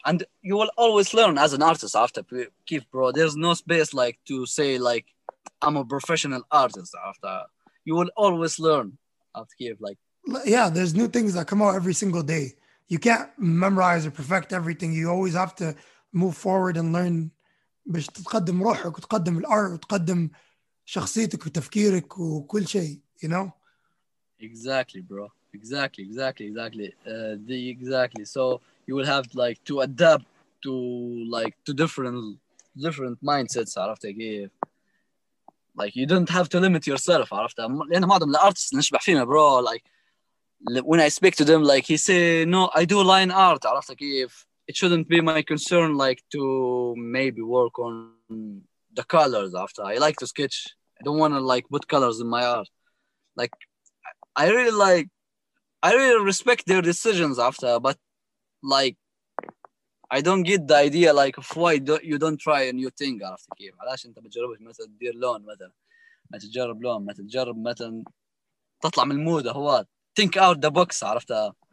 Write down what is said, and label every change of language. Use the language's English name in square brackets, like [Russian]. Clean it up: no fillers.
[English] And you will always learn as an artist after, Kif, bro. There's no space, like, to say, like, I'm a professional artist after. You will always learn after Kif, like. Yeah, there's new things that come out every single day. You can't memorize or perfect everything. You always have to move forward and learn. [Arabic] باش تقدم روحك وتقدم الار وتقدم شخصيتك وتفكيرك وكل شيء, you know? [English] Exactly, bro. Exactly. Exactly. So you will have, like, to adapt to, like, to different mindsets عرفت كيف. Like, you don't have to limit yourself عرفت. [Arabic] لأن معظم الارتست نشبح فيهم bro. [English] Like, when I speak to them, like, he say, no, I do line art عرفت كيف. It shouldn't be my concern, like, to maybe work on the colors after. I like to sketch. I don't want to, like, put colors in my art. Like, I really respect their decisions after, but, like, I don't get the idea, like, of why you don't try a new thing after Kif. [Arabic] علاش انت بتجربش مثلا دير لون مثلا ما تجرب لون ما تجرب مثلا تطلع من المود هو [English] think out the box [Arabic] عرفتها.